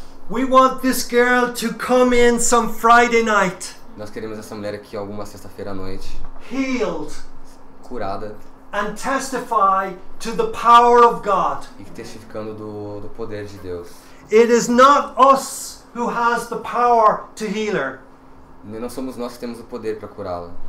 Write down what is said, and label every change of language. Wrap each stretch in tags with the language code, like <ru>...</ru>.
<en>We want this girl to come in some Friday night.</en> <pt>Nós queremos essa mulher aqui alguma sexta-feira à noite.</pt> <en>Healed.</en> <pt>Curada.</pt> <en>And testify to the power of God.</en> <pt>E testificando do poder de Deus.</pt> <en>It is not us who has the power to heal her.</en> <pt>Não somos nós que temos o poder para curá-la.</pt>